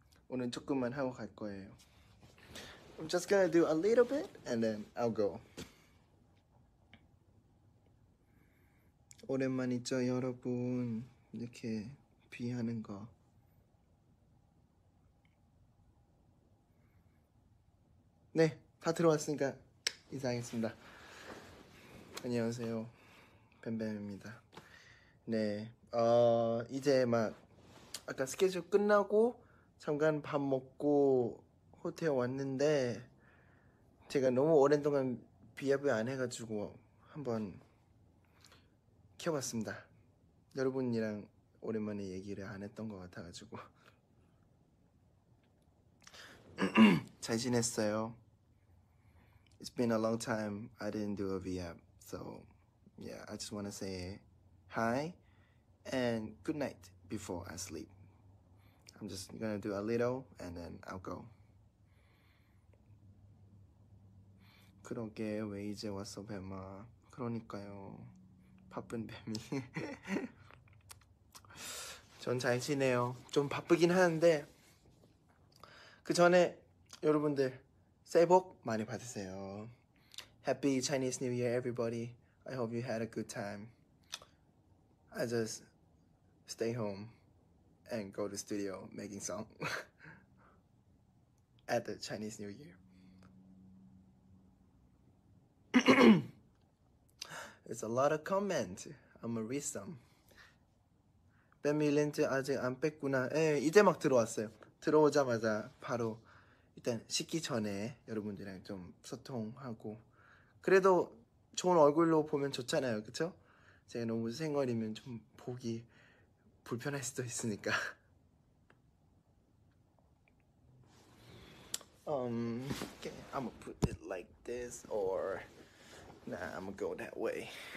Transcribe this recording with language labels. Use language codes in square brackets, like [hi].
[ko] 오늘 조금만 하고 갈 거예요. [en] I'm just gonna do a little bit and then I'll go. [ko] 오랜만이죠, 여러분. 이렇게 비하는 거. 네, 다 들어왔으니까 인사하겠습니다. 안녕하세요, 뱀뱀입니다. 네, 이제 막 아까 스케줄 끝나고 잠깐 밥 먹고 호텔 왔는데 제가 너무 오랜 동안 비합을 안 해가지고 한번 키워봤습니다. 여러분이랑 오랜만에 얘기를 안 했던 것 같아가지고 잘 지냈어요? [en] It's been a long time I didn't do a VM, so yeah, I just wanna say hi and good night before I sleep. I'm just gonna do a little and then I'll go. [ko] 그러게, 왜 이제 왔어, 뱀아? 그러니까요, 바쁜 뱀이. 전잘 지내요. 좀 바쁘긴 하는데 그 전에 여러분들 새해 복 많이 받으세요. [en] Happy Chinese New Year, everybody. I hope you had a good time. I just stay home and go to studio making song at the Chinese New Year. It's a lot of comment. I'm gonna read some. [ko] 뱀이 렌즈 아직 안 뺐구나. 예, 이제 막 들어왔어요. 들어오자마자 바로 일단 씻기 전에 여러분들이랑 좀 소통하고, 그래도 좋은 얼굴로 보면 좋잖아요, 그쵸? 제가 너무 생얼이면 좀 보기 불편할 수도 있으니까. [en] 오케이, I'm gonna put it like this, or nah, I'm gonna go that way.